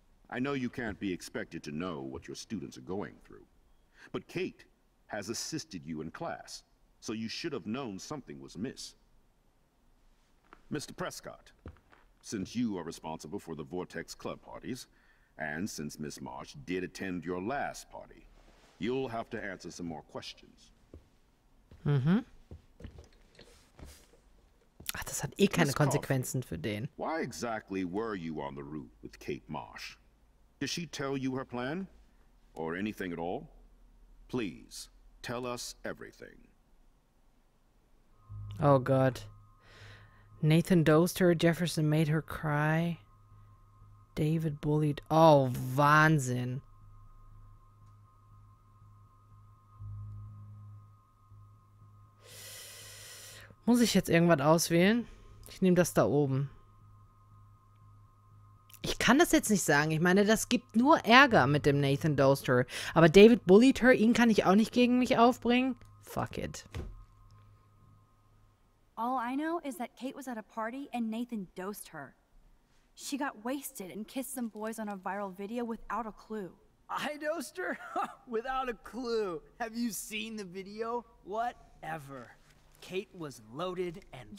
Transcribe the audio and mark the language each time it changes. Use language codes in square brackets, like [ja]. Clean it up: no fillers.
[en] I know you can't be expected to know what your students are going through, but Kate has assisted you in class, so you should have known something was amiss. Mr. Prescott, since you are responsible for the Vortex Club parties, and since Miss Marsh did attend your last party, you'll have to answer some more questions. Mm-hmm. [de] Ach, das hat eh keine Konsequenzen für den. [en] Why exactly were you on the route with Kate Marsh? Does she tell you her plan? Or anything at all? Please, tell us everything. Oh God. Nathan dosed her, Jefferson made her cry. David bullied. [de] Oh, Wahnsinn. Muss ich jetzt irgendwas auswählen? Ich nehme das da oben. Ich kann das jetzt nicht sagen. Ich meine, das gibt nur Ärger mit dem Nathan Doster. Aber David [en] bullied her. [de] Ihn kann ich auch nicht gegen mich aufbringen. [en] Fuck it. All I know is that Kate was at a party and Nathan dosed her. She got wasted and kissed some boys on a viral video without a clue. I dosed her? Without a clue. Have you seen the video? Whatever. Kate was loaded and